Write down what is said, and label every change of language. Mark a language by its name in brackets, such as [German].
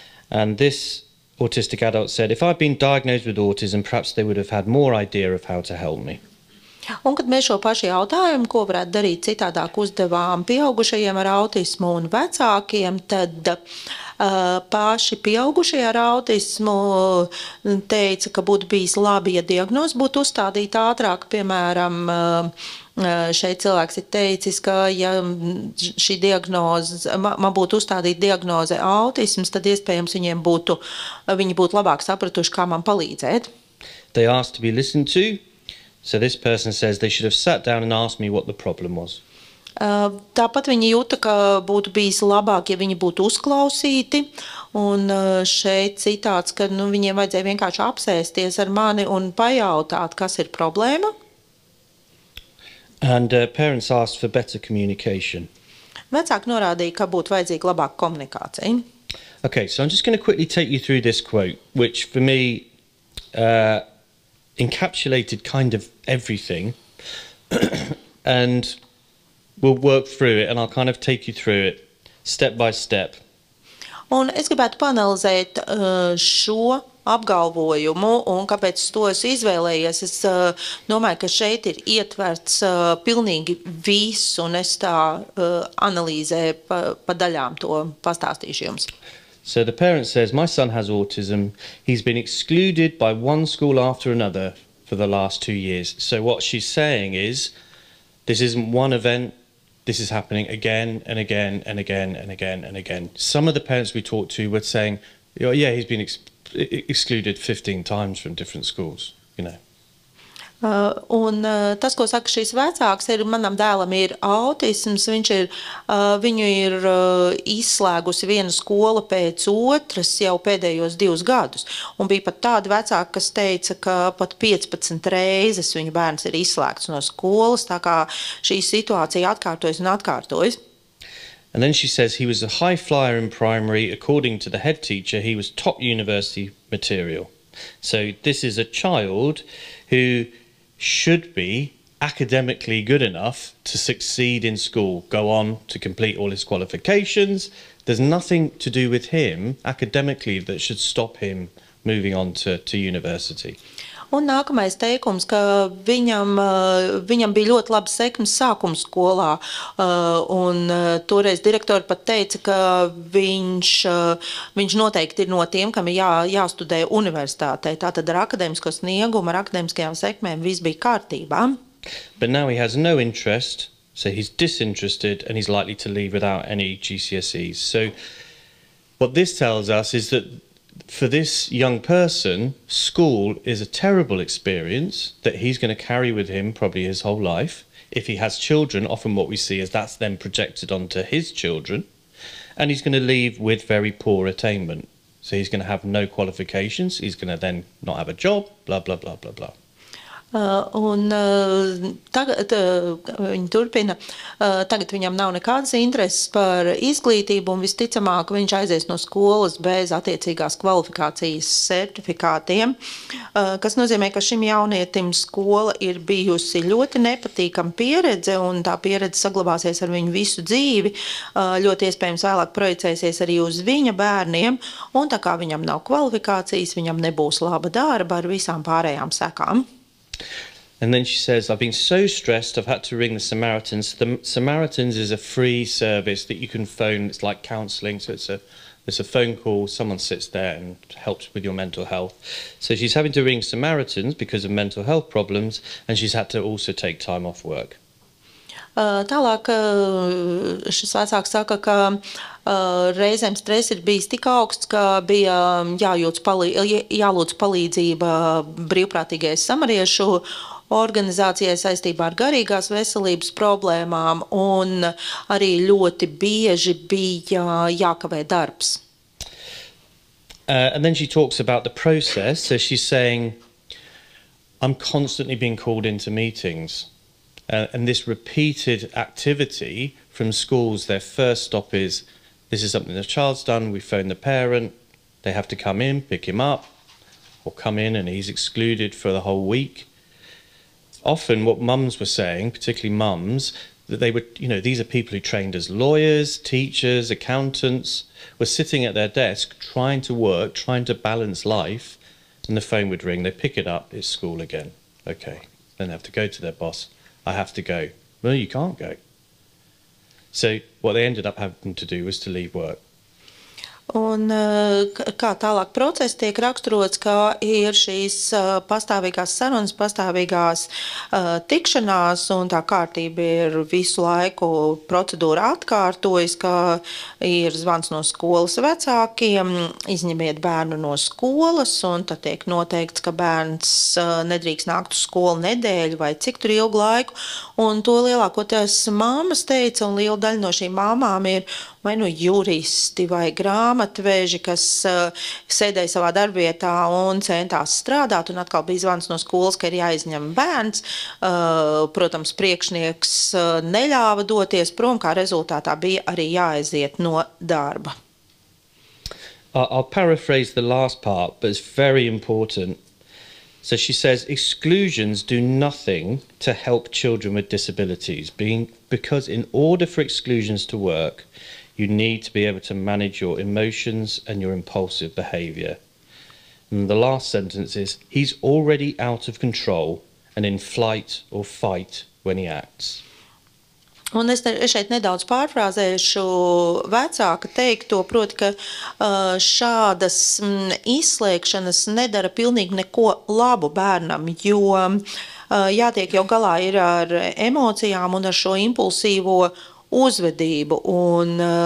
[English] And this autistic adult said, if I'd been diagnosed with autism, perhaps they would have had more idea of how to help me. [Latvian] Un kad mēs šo pašu jautājumu, ko varētu darīt citādāk uzdevām pieaugušajiem ar autismu un vecākiem, tad paši pieaugušie ar autismu teica, ka būtu bijis labi, ja diagnoze būtu uzstādīta ātrāk, piemēram, šeit cilvēks ir teicis, ka ja šī diagnoze, man būtu uzstādīta diagnoze autisms, tad iespējams viņiem būtu, viņi būtu labāk sapratuši, kā man palīdzēt. [English] They asked to be listened to. So this person says they should have sat down and asked me what the problem was. [Latvian] Tāpat viņi jūta, ka būtu bijis labāk, ja viņi būtu uzklausīti, un šeit citāts, ka nu, viņiem vajadzēja vienkārši apsēsties ar mani un pajautāt, kas ir problēma. [English] And parents asked for better communication. [Latvian] Vecāki norādīja, ka būtu vajadzīga labāka komunikācija. [English] Okay, so I'm just going to quickly take you through this quote, which for me encapsulated kind of everything, and we'll work through it, and I'll kind of take you through it step by step. [Latvian] Un es gribētu paanalizēt šo apgalvojumu, un kāpēc to es izvēlējies. Es domāju, ka šeit ir ietverts pilnīgi viss, un es tā analīzēju pa daļām to pastāstīšu jums. [English] So the parent says, my son has autism. He's been excluded by one school after another for the last 2 years. So what she's saying is, this isn't one event. This is happening again and again and again and again and again. Some of the parents we talked to were saying, yeah, he's been excluded 15 times from different schools, you know. [Latvian] Un tas, ko saka šīs vecāks, ir, manam dēlam ir autisms, viņš ir, viņu ir izslēgusi viena skola pēc otras jau pēdējos 2 gadus. Un bija pat tāda vecāka, kas teica, ka pat 15 reizes viņu bērns ir izslēgts no skolas, tā kā šī situācija atkārtojas un atkārtojas. [English] And then she says he was a high flyer in primary, according to the head teacher, he was top university material. So this is a child who should be academically good enough to succeed in school, go on to complete all his qualifications. There's nothing to do with him academically that should stop him moving on to university. [Latvian] Un nākamais teikums, ka viņam bija ļoti labs sekmes sākuma skolā, un toreiz direktori pat teica, ka viņš noteikti ir no tiem, kam ir jāstudē universitātē. Tātad ar akadēmisko sniegumu, ar akadēmiskajām sekmēm viss bija kārtībā. [English] But now he has no interest, so he's disinterested and he's likely to leave without any GCSEs. So what this tells us is that for this young person, school is a terrible experience that he's going to carry with him probably his whole life. If he has children, often what we see is that's then projected onto his children, and he's going to leave with very poor attainment. So he's going to have no qualifications, he's going to then not have a job, blah, blah, blah, blah, blah. [Latvian] Viņa turpina, tagad viņam nav nekādas intereses par izglītību un visticamāk viņš aizies no skolas bez attiecīgās kvalifikācijas certifikātiem, kas nozīmē, ka šim jaunietim skola ir bijusi ļoti nepatīkama pieredze un tā pieredze saglabāsies ar viņu visu dzīvi, ļoti iespējams vēlāk projicēsies arī uz viņa bērniem un tā kā viņam nav kvalifikācijas, viņam nebūs laba darba ar visām pārējām sekām. [English] And then she says, I've been so stressed, I've had to ring the Samaritans. The Samaritans is a free service that you can phone. It's like counseling. So it's a phone call. Someone sits there and helps with your mental health. So she's having to ring Samaritans because of mental health problems. And she's had to also take time off work. [Latvian] Tālāk šis vecāks saka, ka reizēm stress ir bijis tik augsts, ka bija jālūdz palīdzība brīvprātīgais samariešu organizācijai saistībā ar garīgās veselības problēmām un arī ļoti bieži bija jākavē darbs. [English] And then she talks about the process, so she's saying, I'm constantly being called into meetings. And this repeated activity from schools, their first stop is, this is something the child's done, we phone the parent, they have to come in, pick him up, or come in and he's excluded for the whole week. Often what mums were saying, particularly mums, that they were, you know, these are people who trained as lawyers, teachers, accountants, were sitting at their desk trying to work, trying to balance life, and the phone would ring, they pick it up, it's school again. Okay, then they have to go to their boss. I have to go. Well, you can't go. So what they ended up having to do was to leave work. [Latvian] Un kā tālāk process tiek raksturots, ka ir šīs pastāvīgās sarunas, pastāvīgās tikšanās, un tā kārtība ir visu laiku procedūra atkārtojas, ka ir zvans no skolas vecākiem, izņemiet bērnu no skolas, un tad tiek noteikts, ka bērns nedrīkst nākt uz skolu nedēļu vai cik tur ilgu laiku, un to lielākoties mammas teica, un liela daļa no šīm mammām ir, vai nu juristi vai grāmatveži, kas sēdēja savā darbvietā un centās strādāt, un atkal bija zvans no skolas, ka ir jāizņem bērns. Protams, priekšnieks neļāva doties prom, kā rezultātā bija arī jāaiziet no darba. [English] I'll paraphrase the last part, but it's very important. So she says, exclusions do nothing to help children with disabilities, because in order for exclusions to work, you need to be able to manage your emotions and your impulsive behavior. And the last sentence is, he's already out of control and in flight or fight when he acts. [Latvian] Un es šeit nedaudz pārfrāzēšu vecāka teikto, proti, ka šādas izslēgšanas nedara pilnīgi neko labu bērnam, jo jātiek jau galā ir ar emocijām un ar šo impulsīvo uzvedību, un